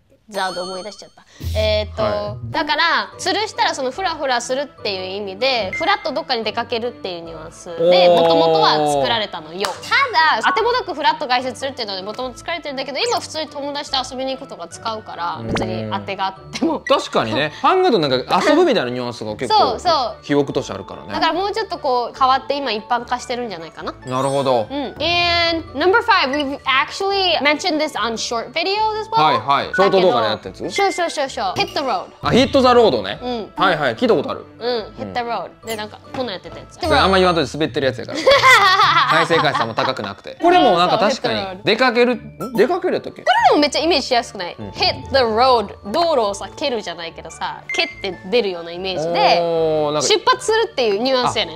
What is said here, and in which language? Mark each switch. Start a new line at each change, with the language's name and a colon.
Japanese: ザード思い出しちゃった。はい、だから吊るしたらそのフラフラするっていう意味で、フラッとどっかに出かけるっていうニュアンスで元々は作られたのよ。ただ当てもなくフラッと外出するっていうので元々作られてるんだけど、今普通に友達と遊びに行くとか使うから別に当てがあっても確かにね。ハングとなんか遊ぶみたいなニュアンスが結構そう記憶としてあるからね。だからもうちょっとこう変わって今一般化してるんじゃないかな。なるほど。うん。
English: And number five, we've actually mentioned this on short video as well。
Japanese: はいはい、ショート動画やったやつ。そう。ヒットロード。あ、ヒットザロードね。うん。はいはい、聞いたことある。うん。ヒットロード。で、なんか、こんなやってたやつ。それあんま言わんとき滑ってるやつやから。再生回数も高くなくて。これもなんか確かに、出かける、出かけるやったっけ？これもめっちゃイメージしやすくない？ヒットザロード。道路をさ、蹴るじゃないけどさ、蹴って出るようなイメージで、出発するっていうニュアンスやねん。